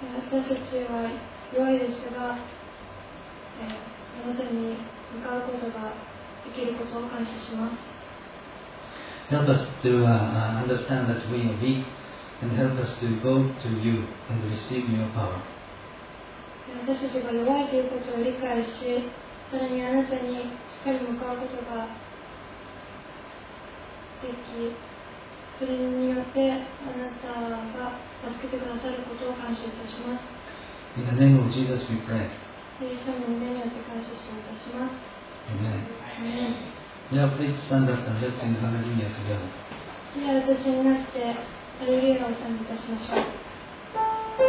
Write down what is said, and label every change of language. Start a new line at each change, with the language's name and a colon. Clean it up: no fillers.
Japanese: 私たちは弱いですが、あなたに向かうことができることを感謝します。
English: Help us to understand that we are weak and help us to go to you and receive your power.
Japanese: 私たちが弱いということを理解し、さらにあなたにしっかり向かうことができ、それによってあなたが助けてくださることを感謝いたします。
English: In the name of Jesus we pray.
Japanese: イエス様の名によって感謝していたします。
English: Amen. Now please stand up and let's sing Hallelujah together.
Japanese: では私になってハレルヤを賛美いたしましょう。